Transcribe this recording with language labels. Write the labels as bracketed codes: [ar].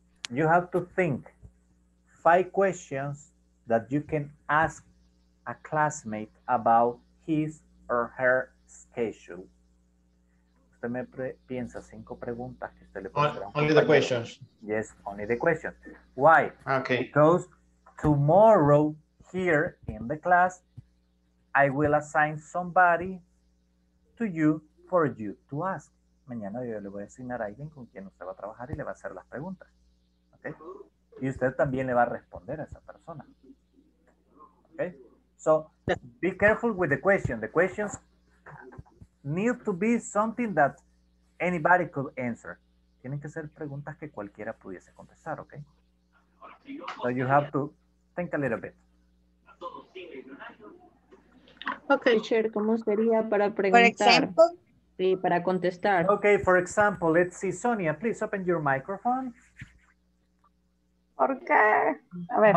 [en] You have to think 5 questions that you can ask a classmate about his or her schedule. [es] Usted me piensa 5 preguntas que usted le puede [en] hacer. Only the questions. Yes, only the questions. Why? Okay. Because tomorrow here in the class, I will assign somebody to you for you to ask. [es] Mañana yo le voy a asignar a alguien con quien usted va a trabajar y le va a hacer las preguntas. Okay? Y usted también le va a responder a esa persona. [en] Okay? So, be careful with the question. The questions need to be something that anybody could answer. [es] Tienen que ser preguntas que cualquiera pudiese contestar, okay? [en] So you have to think a little bit. [es] Okay, Cher, ¿cómo sería para preguntar? [en] For example? [es] Sí, para contestar. [en] Okay, for example, let's see, Sonia, please open your microphone. [es] ¿Por qué? A ver.